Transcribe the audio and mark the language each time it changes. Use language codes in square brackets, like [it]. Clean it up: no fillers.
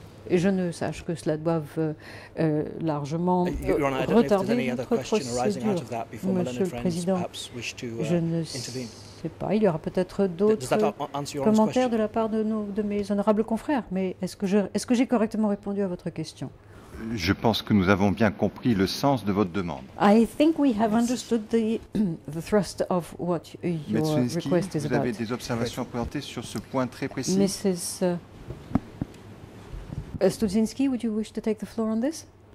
[fr] Et je ne sache que cela doive largement retarder notre procédure, Monsieur le Président. Je ne sais pas, il y aura peut-être d'autres commentaires de la part de mes honorables confrères, mais est-ce que j'ai correctement répondu à votre question ? Je pense que nous avons bien compris le sens de votre demande. [en] I think we have understood the thrust of what your request is about. [fr] Vous avez des observations à présenter sur ce point très précis ? [en] Studzinski, would you wish to take the floor on this?